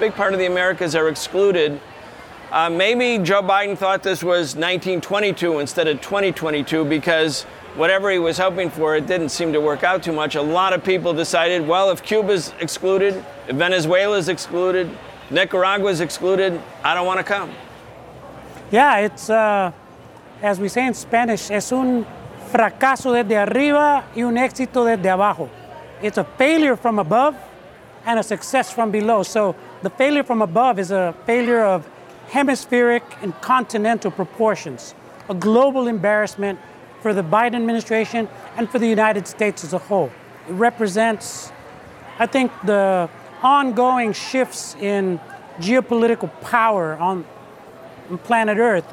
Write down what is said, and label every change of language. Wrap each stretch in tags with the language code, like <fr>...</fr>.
<en>Big part of the Americas are excluded. Maybe Joe Biden thought this was 1922 instead of 2022 because whatever he was hoping for, it didn't seem to work out too much. A lot of people decided, well, if Cuba's excluded, if Venezuela's excluded, Nicaragua's excluded, I don't want to come. Yeah, it's, as we say in Spanish,</en> <es>es un fracaso desde arriba y un éxito desde abajo.</es> <en>It's a failure from above and a success from below. So the failure from above is a failure of hemispheric and continental proportions, a global embarrassment for the Biden administration and for the United States as a whole. It represents, I think, the ongoing shifts in geopolitical power on planet Earth.</en>